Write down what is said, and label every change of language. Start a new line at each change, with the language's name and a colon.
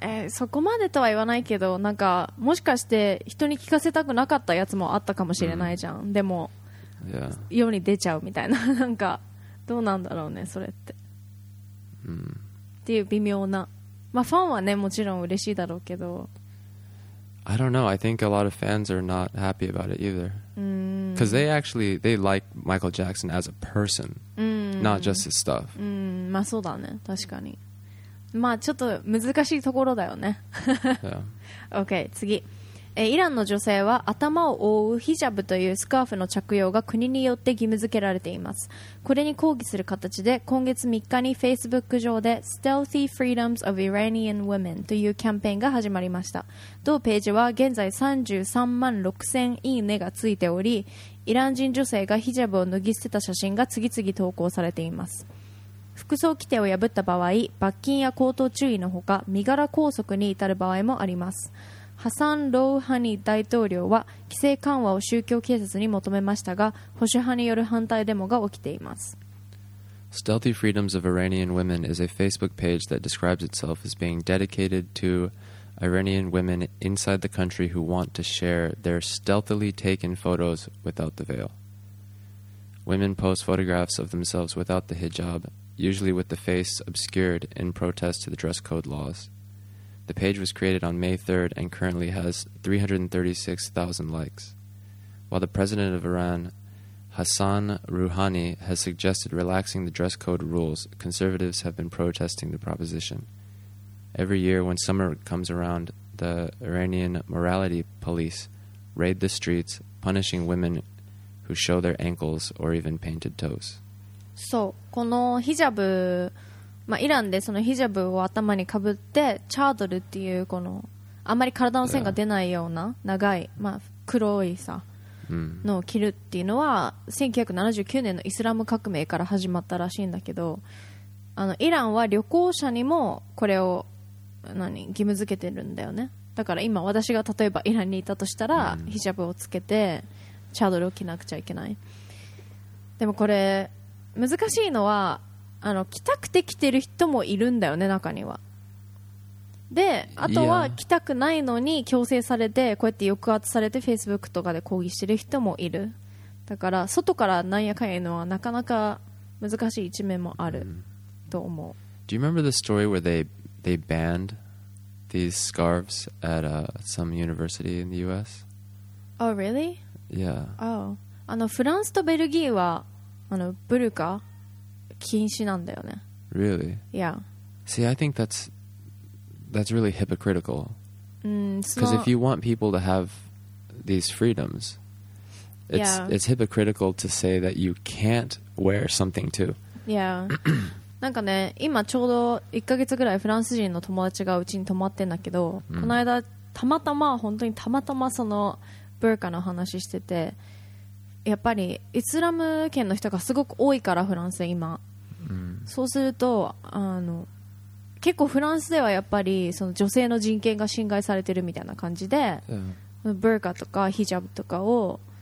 Japanese: そこまでとは言わないけど、なんかもしかして人に聞かせたくなかったやつもあったかもしれないじゃん。でも、
English: yeah.
Japanese: 世に出ちゃうみたいな、なんか。どうなんだろうねそれって、っていう微妙な、まあファンはねもちろん嬉しいだろうけど、
English: I don't know. I think a lot of fans are not happy about it either. Because they like Michael Jackson as a person, not just his stuff.
Japanese: まあそうだね確かに。まあちょっと難しいところだよね。
English: yeah.
Japanese: OK 次。イランの女性は頭を覆うヒジャブというスカーフの着用が国によって義務付けられています。これに抗議する形で今月3日に Facebook 上で Stealthy Freedoms of Iranian Women というキャンペーンが始まりました。同ページは現在336,000いいねがついており、イラン人女性がヒジャブを脱ぎ捨てた写真が次々投稿されています。服装規定を破った場合、罰金や口頭注意のほか身柄拘束に至る場合もあります。ハサン・ロウハニ大統領は規制緩和を宗教警察に求めましたが、保守派による反対デモが起きています。
English: Stealthy Freedoms of Iranian Women is a Facebook page that describes itself as being dedicated to Iranian women inside the country who want to share their stealthily taken photos without the veil. Women post photographs of themselves without the hijab, usually with the face obscured in protest to the dress code laws. The page was created on May 3rd and currently has 336,000 likes. While the president of Iran, Hassan Rouhani, has suggested relaxing the dress code rules, conservatives have been protesting the proposition. Every year when summer comes around, the Iranian morality police raid the streets, punishing women who show their ankles or even painted toes.
Japanese: So, このヒジャブまあ、イランでそのヒジャブを頭にかぶってチャードルっていうこのあんまり体の線が出ないような長い、まあ、黒いさのを着るっていうのは1979年のイスラム革命から始まったらしいんだけど、あのイランは旅行者にもこれを何義務付けてるんだよね。だから今私が例えばイランにいたとしたら、うん、ヒジャブをつけてチャドルを着なくちゃいけない。でもこれ難しいのは、あの着たくて着てる人もいるんだよね、中には。であとは着たくないのに強制されてこうやって抑圧されて Facebook とかで抗議してる人もいる。だから外からなんやかんやのはなかなか難しい一面もあると思う。
English: Do you remember the story where they banned these scarves at some university in the US? Oh, really? Yeah. Oh.
Japanese: あのフランスとベルギーはあのブルカ禁止なんだよね。
English: Really? Yeah. See, I think that's really hypocritical. Because if you want people to have these freedoms, it's hypocritical to say that you can't wear something too. Yeah.
Japanese: なんかね、今ちょうど1ヶ月ぐらいフランス人の友達がうちに泊まってんだけど、この間たまたま本当にたまたまそのブルカの話してて、やっぱりイスラム圏の人がすごく多いからフランスで今、そうするとあの結構フランスではやっぱりその女性の人権が侵害されてるみたいな感じで、ブルカとかヒジャブとかを